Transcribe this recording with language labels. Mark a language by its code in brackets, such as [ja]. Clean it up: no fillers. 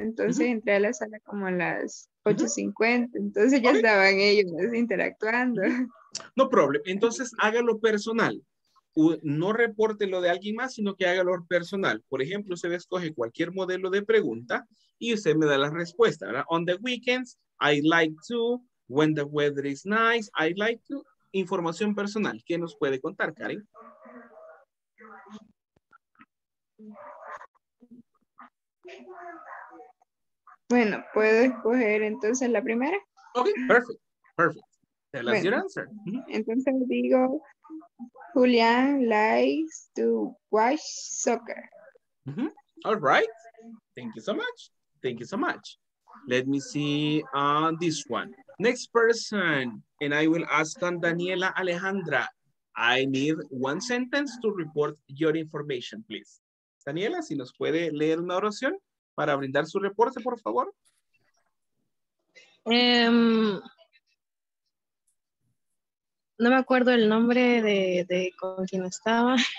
[es] Entonces entré a la sala como a las 8:50. Entonces ya estaban ellos interactuando. [en] No problem. [es] Entonces hágalo personal. No reporte lo de alguien más, sino que hágalo personal. Por ejemplo, usted escoge cualquier modelo de pregunta y usted me da la respuesta, ¿verdad? [en] On the weekends, I like to. When the weather is nice, I like to. [es] Información personal. ¿Qué nos puede contar, Karen? Bueno, puedo escoger entonces la primera. [en] Ok, perfect. Tell us your answer. [es] Entonces digo, [en] Julián likes to watch soccer. All right. Thank you so much. Let me see on this one. Next person, and I will ask on Daniela Alejandra. I need one sentence to report your information, please. [es] Daniela, si nos puede leer una oración para brindar su reporte, por favor. No me acuerdo el nombre de con quién estaba.